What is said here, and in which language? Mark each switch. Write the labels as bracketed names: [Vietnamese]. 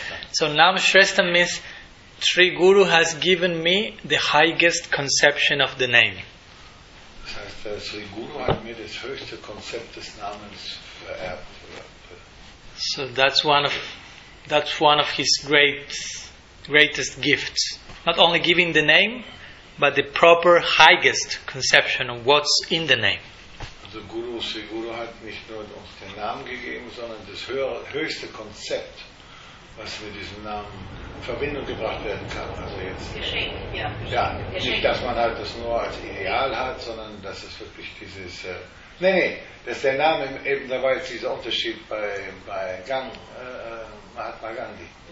[English] So, Nam Shrestham means Sri Guru has given me the highest conception of the name. [German] Das heißt, Sri Guru hat mir das höchste Konzept des Namens vererbt. [English] So, that's one of his greatest gifts. Not only giving the name, but the proper highest conception of what's in the name. [German] Also Guru hat nicht nur uns den Namen gegeben, sondern das höchste Konzept, was mit diesem Namen in Verbindung gebracht werden kann. Also jetzt nicht, dass man halt das nur als Ideal hat, sondern dass es wirklich dieses dass der Name eben, da war jetzt dieser Unterschied bei Gang Mahatma Gandhi.